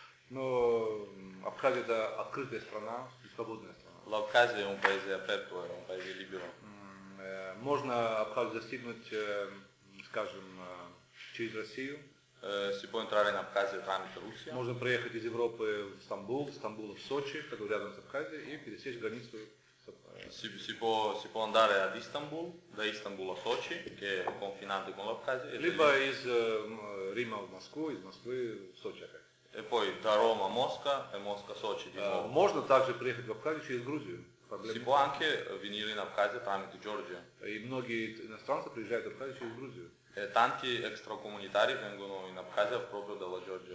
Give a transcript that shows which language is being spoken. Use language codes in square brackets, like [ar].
[ru] Но Абхазия – это открытая страна и свободная страна. [it] Абхазия – [ru] он [it] paese aperto, он paese libero. [ru] Можно Абхазию достигнуть, скажем, через Россию. [it] Si può entrare in Абхазию tramite Russia. [ru] Можно проехать из Европы в Стамбул, из Стамбула в Сочи, который рядом с Абхазией, и пересечь границу. [it] Si può andare ad Istanbul, da Istanbul a Sochi, che è confinante con l'Abkhazia. [ru] Либо из Рима в Москву, из Москвы в Сочи опять. [it] E poi da Roma a Mosca e Mosca a Sochi di nuovo. [ru] Можно также приехать в Абхазию через Грузию, проблемы. [it] Si può anche venire in Abkhazia tramite Georgia. [ru] И многие иностранцы приезжают в Абхазию через Грузию. [it] Tanti extracomunitari vengono in Abkhazia proprio dalla Georgia.